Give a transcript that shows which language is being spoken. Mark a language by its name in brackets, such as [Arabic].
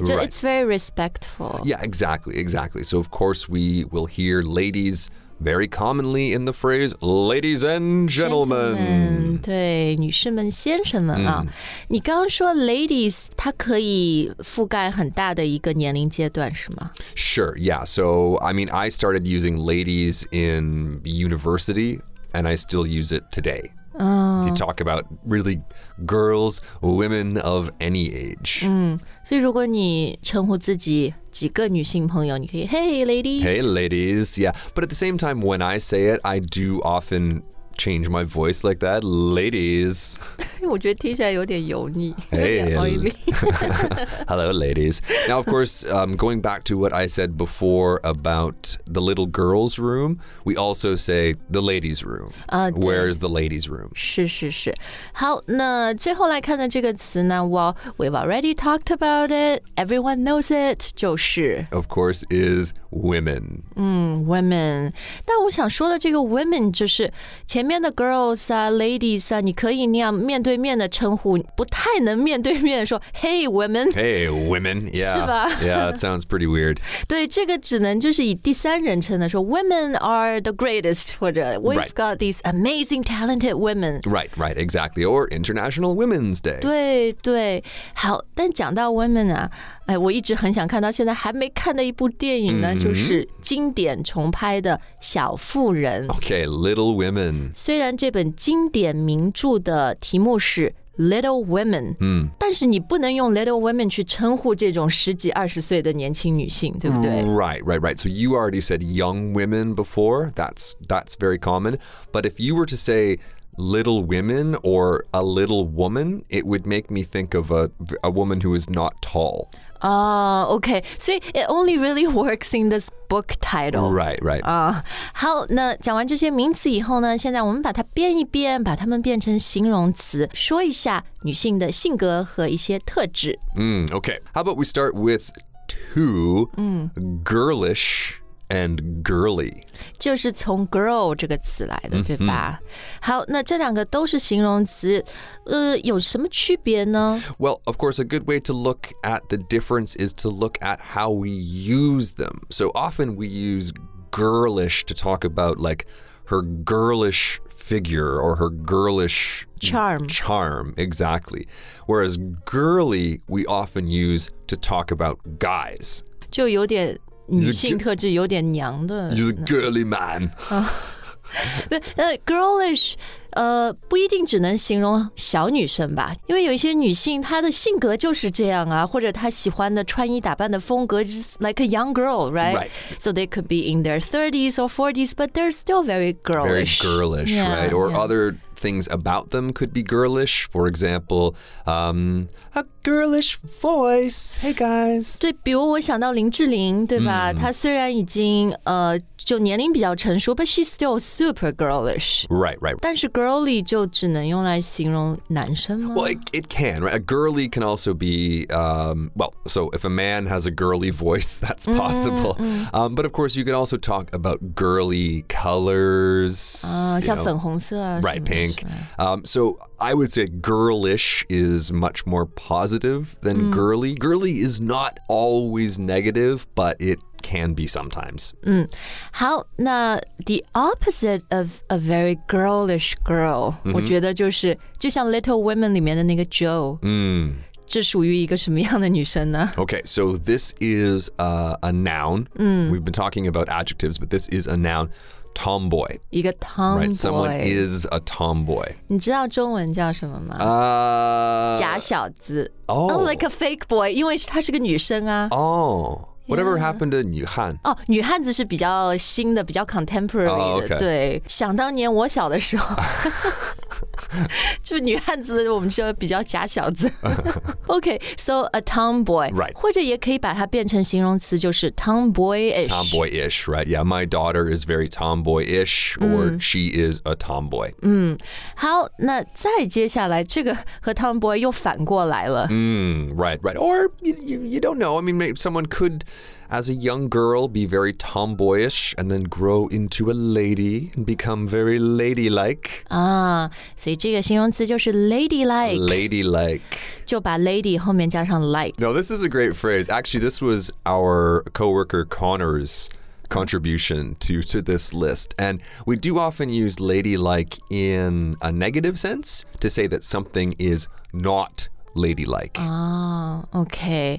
[English] 就 it's very respectful. Yeah, exactly, exactly. So of course we will hear ladies very commonly in the phrase, ladies and gentlemen. [Chinese] 对，女士们、先生们啊、你刚刚说 ladies， 它可以覆盖很大的一个年龄阶段，是吗 [English] ？Sure, yeah. So, I mean, I started using ladies in university, and I still use it today. You talk about really girls, women of any age. [Chinese] 所以如果你称呼自己几个女性朋友，你可以 [English] Hey, ladies. Hey, ladies. Yeah, but at the same time, when I say it, I do often change my voice like that, ladies. [Chinese] 我觉得听起来有点油腻 [English] Hello, ladies. Now, of course, going back to what I said before about the little girl's room, we also say the ladies' room. Where is the ladies' room? [Chinese] 是是是。好，那最后来看的这个词呢 [English] Well, we've already talked about it. Everyone knows it. [Chinese] 就是 [English] Of course, is women. Women. [Chinese] 但我想说的这个 women 就是前面的 girls 啊 ladies 啊你可以那样面对面的称呼不太能面对面说 [English] Hey, women. Hey, women. Yeah. [Chinese] 是吧 [English] Yeah, it sounds pretty weird. [Chinese] 对这个只能就是以第三人称的说 [English] Women are the greatest. [Chinese] 或者 [English] We've、 got these amazing talented women. Right, right, exactly. Or International Women's Day. [Chinese] 对对好但讲到 women 啊哎，我一直很想看到现在还没看的一部电影呢、就是经典重拍的小妇人 [English] Okay, Little Women [Chinese] 虽然这本经典名著的题目是 Little Women、但是你不能用 Little Women 去称呼这种十几二十岁的年轻女性对不对 [English] Right, right, right So you already said young women before that's very common But if you were to say Little women or a little woman, it would make me think of a woman who is not tall. Okay. So it only really works in this book title. Right, right. [Chinese] 好，那讲完这些名词以后呢，现在我们把它变一变，把它们变成形容词，说一下女性的性格和一些特质。 [English] Okay. How about we start with two, girlish. And girly. [Chinese] 就是从 girl 这个词来的、对吧好那这两个都是形容词有什么区别呢 [English] Well, of course, a good way to look at the difference is to look at how we use them. So often we use girlish to talk about like her girlish figure or her girlish charm, exactly. Whereas girly we often use to talk about guys. [Chinese] 就有点女性特质有点娘的 [English] You're a girly man [Chinese] Girlish 不一定只能形容小女生吧因为有一些女性她的性格就是这样啊或者她喜欢的穿衣打扮的风格 [English] Just like a young girl, right? Right? So they could be in their 30s or 40s But they're still very girlish Very girlish, yeah, right? Or other things about them could be girlish For example, a girlish voice Hey guys [Chinese] 对比如我想到林志玲对吧、她虽然已经就年龄比较成熟 [English] But she's still super girlish Right, right [Chinese] 但是 girly 就只能用来形容男生吗 [English] Well, it can, right? A girly can also be Well, so if a man has a girly voice That's possible But of course, you can also talk about girly colors [Chinese] 像粉红色啊 [English] Right, pink So I would say girlish is much more positive than girly Girly is not always negative, but itcan be sometimes. How, now, the opposite of a very girlish girl, [Chinese] 我觉得就是就像 Little Women 里面的那个 Jo, 这属于一个什么样的女生呢? [English] Okay, so this is a noun. We've been talking about adjectives, but this is a noun. Tomboy. [Chinese] 一个 tomboy. [English] Right, someone is a tomboy. [Chinese] 你知道中文叫什么吗?假小子。 [English] Oh, like a fake boy, [Chinese] 因为她是个女生啊。 [English] Whatever happened to [Chinese] 女汉？哦，女汉子是比较新的，比较 contemporary 的。对，想当年我小的时候，就女汉子，我们说比较假小子。 [English] Okay, so a tomboy. Right. [Chinese] 或者也可以把它变成形容词，就是 tomboyish. [English] Tomboyish, right? Yeah, my daughter is very tomboyish, or she is a tomboy. [Chinese] 好，那再接下来这个和 tomboy 又反过来了。 [English] Right, right. Or you don't know. I mean, maybe someone could. As a young girl, be very tomboyish and then grow into a lady and become very ladylike. [Chinese] 所以这个形容词就是 ladylike. [English] Ladylike. [Chinese] 就把 lady 后面加上 like. [English] No, this is a great phrase. Actually, this was our coworker Connor's contribution to this list. And we do often use ladylike in a negative sense to say that something is not ladylike. Okay.